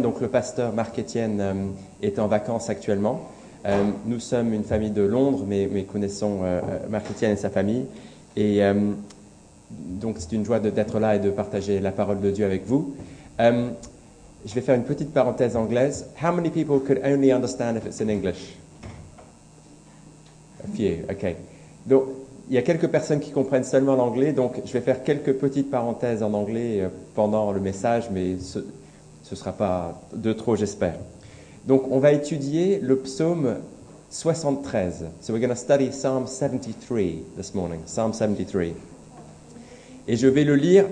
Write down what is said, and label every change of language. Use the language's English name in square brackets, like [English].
[French] Donc, le pasteur Marc-Étienne est en vacances actuellement. Nous sommes une famille de Londres, mais nous connaissons Marc-Étienne et sa famille. Et donc, c'est une joie d'être là et de partager la parole de Dieu avec vous. Je vais faire une petite parenthèse anglaise. [English] How many people could only understand if it's in English? A few, okay. [French] Donc, il y a quelques personnes qui comprennent seulement l'anglais, donc je vais faire quelques petites parenthèses en anglais pendant le message, mais ce ne sera pas de trop, j'espère. Donc, on va étudier le psaume 73. [English] So, we're going to study Psalm 73 this morning. Psalm 73. [French] Et je vais le lire.